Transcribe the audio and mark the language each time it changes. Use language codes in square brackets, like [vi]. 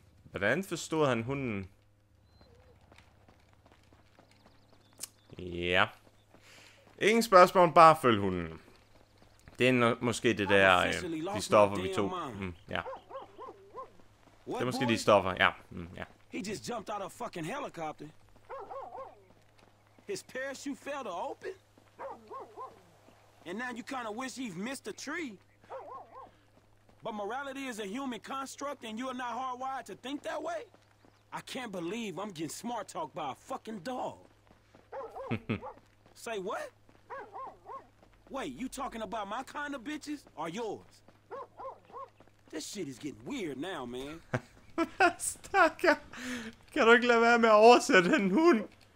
[da] Hvordan forstod han hunden? Ja. Ingen spørgsmål, bare følg hunden. Det er måske det der, de stoffer vi tog. Ja. Det er måske de stoffer, ja. Ja. [en] He just jumped out of a fucking helicopter. His parachute failed to open. And now you kind of wish he'd missed a tree. But morality is a human construct and you are not hardwired to think that way? I can't believe I'm getting smart talked by a fucking dog. Say what? Wait, you talking about my kind of bitches or yours? This shit is getting weird now, man. [da] Stakker. Kan du ikke lade være med at oversætte den hund?